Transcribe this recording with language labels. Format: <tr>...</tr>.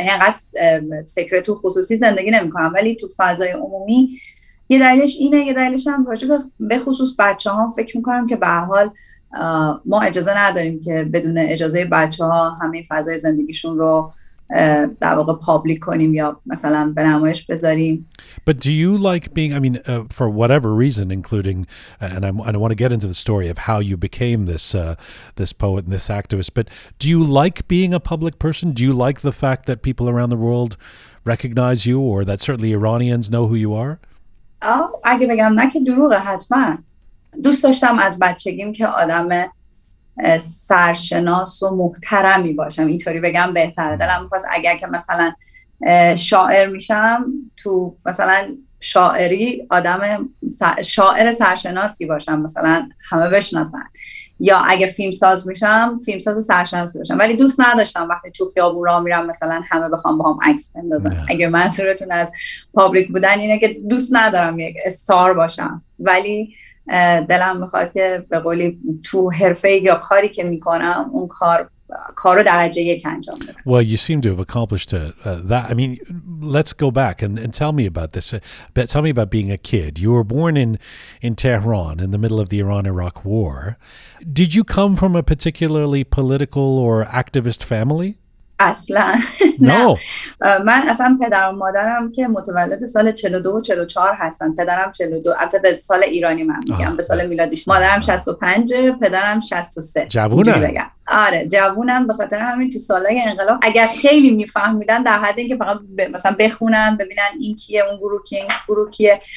<fa>اینقدر سیکرت و خصوصی زندگی نمی کنم، ولی تو فضای عمومی یه دلیلش اینه، یه دلیلش هم راجع به خصوص بچه هم فکر میکنم که به هر حال ما اجازه نداریم که بدون اجازه بچه ها همه فضای زندگیشون رو در واقع پابلیک کنیم یا مثلا به نمایش بذاریم.</fa> <en>But do you like being, I mean, for whatever reason, including, and I want to get into the story of how you became this this poet and this activist, but do you like being a public person? Do you like the fact that people around the world recognize you or that certainly Iranians know who you are?</en> <fa>اگه بگم نه که دروغه، حتما. دوست داشتم از بچگیم که آدم سرشناس و محترمی باشم، اینطوری بگم بهتره. دلم می‌خواست اگر که مثلا شاعر میشم تو مثلا شاعری آدم شاعر سرشناسی باشم، مثلا همه بشناسن، یا اگه فیلم ساز میشم فیلم ساز سرشناسی باشم. ولی دوست نداشتم وقتی تو خیابون راه میرم مثلا همه بخوام باهم عکس بندازن. اگه منظورتون از پابلیک بودن اینه که دوست ندارم یک استار باشم، ولی دلم میخواد که به قولی تو حرفه یا کاری که میکنم اون کارو درجه یک انجام بدم.</fa> <en>Well, you seem to have accomplished that. I mean, let's go back and tell me about this. But tell me about being a kid. You were born in Tehran in the middle of the Iran-Iraq war. Did you come from a particularly political or activist family?</en> <fa>اصلا نه. من اصلا پدر و مادرم که متولد سال 42 و 44 هستن، پدرم 42، البته به سال ایرانی من میگم به سال میلادیش، مادرم 65، پدرم 63. جوونم. آره جوونم، به خاطر همین تو سالای انقلاب اگر خیلی میفهمیدن در حد اینکه فقط مثلا بخونن ببینن این کیه، اون گروه کیه، این گروه کیه.</fa>